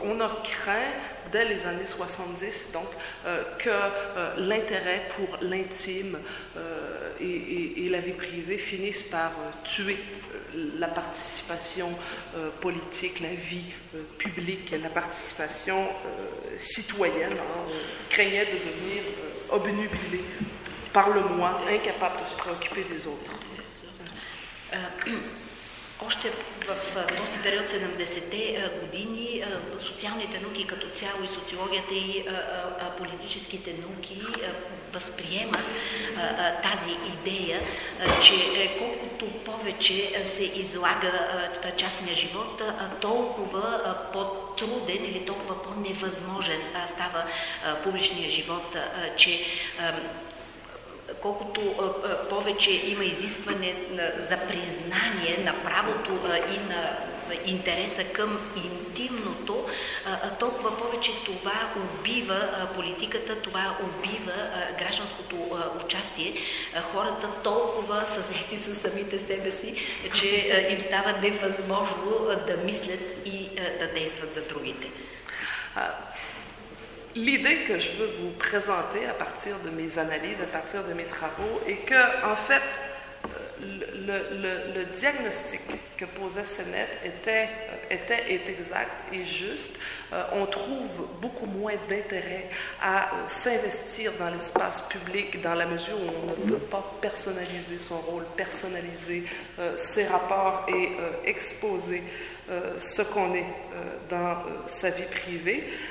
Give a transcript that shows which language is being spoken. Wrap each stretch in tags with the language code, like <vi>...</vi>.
<fr>On a craint dès les années 70, donc, que l'intérêt pour l'intime et la vie privée finissent par tuer la participation politique, la vie publique, la participation citoyenne. Hein, craignait de devenir obnubilé par le moi, incapable de se préoccuper des autres.</fr> <bg>Още в този период 70-те години социалните науки като цяло и социологията и политическите науки възприемат тази идея, че колкото повече се излага частния живот, толкова по-труден или толкова по-невъзможен става публичния живот, че колкото повече има изискване за признание на правото и на интереса към интимното, толкова повече това убива политиката, това убива гражданското участие. Хората толкова са заети със самите себе си, че им става невъзможно да мислят и да действат за другите.</bg> <fr>L'idée que je veux vous présenter à partir de mes analyses, à partir de mes travaux, est que, en fait, le diagnostic que posait Sennett est exact et juste. On trouve beaucoup moins d'intérêt à s'investir dans l'espace public dans la mesure où on ne peut pas personnaliser son rôle, personnaliser ses rapports et exposer ce qu'on est dans sa vie privée.</fr>